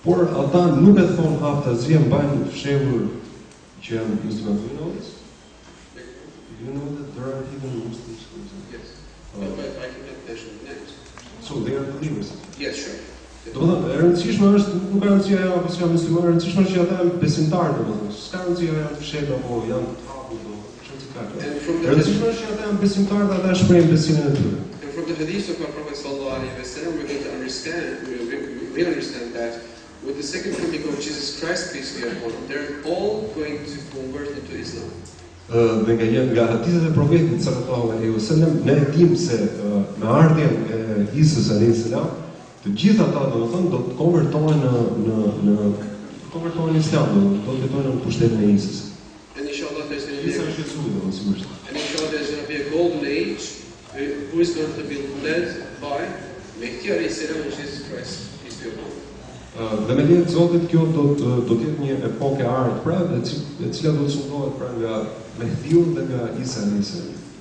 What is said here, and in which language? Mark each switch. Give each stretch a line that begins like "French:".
Albanian: Ata nuk e thon hapta zi e mbajnë fshehur që janë muslimanë.
English: Do you know that there are hidden rooms in this place? Yes. I can have mentioned names. So they are believers? Yes, sure.
Albanian: Domthonë, e rëndësishme është, nuk e rëndësia ajo apo s'jam besimtar, e rëndësishme është që ata janë besimtarë, domethënë. S'ka rëndësi ajo janë fshehtë apo janë të hapur, domethënë. E rëndësishme është që ata janë besimtarë dhe ata shprehin besimin e tyre.
English: And from the hadith of our Prophet
Arabic: sallallahu alaihi wasallam,
English: we get to understand, we understand that with the second coming of Jesus Christ, peace be upon him, they're all going to convert into Islam.
Albanian: Dhe nga hadithet e profetit
Arabic: sallallahu alaihi wasallam,
Albanian: ne dimë se me ardhjen e Isus
Arabic: alaihi wasallam,
Albanian: të gjitha ata domethënë do të konvertohen në konvertohen në Islam, do të jetojnë në pushtetin e Isus.
English: And inshallah there's going to be a golden age. Who is going to be led by Mehdi
Arabic: alayhi salam,
English: Jesus Christ, is the one.
Albanian: Dhe me lejet Zotit kjo do të jetë një epokë e ardhme pra, e cila do të shndodhet pra nga Mehdiu dhe nga Isa
Arabic: alayhi salam.